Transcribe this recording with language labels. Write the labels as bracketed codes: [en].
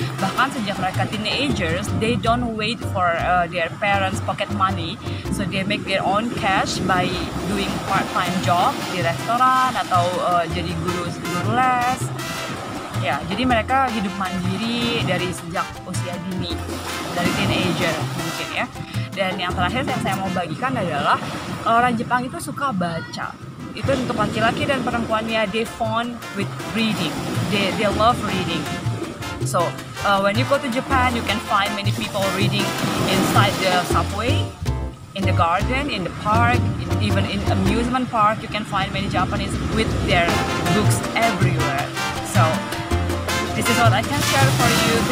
[id] Bahkan sejak mereka [en] teenagers, they don't wait for their parents' pocket money. So they make their own cash by doing part-time job [id] di restoran atau jadi guru les. Ya, jadi mereka hidup mandiri dari sejak usia dini, dari teenager mungkin ya. Dan yang terakhir yang saya mau bagikan adalah orang Jepang itu suka baca. Itu untuk laki-laki dan perempuannya, [en] they fond with reading. They love reading. So, when you go to Japan, you can find many people reading inside the subway, in the garden, in the park, even in amusement park, you can find many Japanese with their books everywhere. So, this is what I can share for you.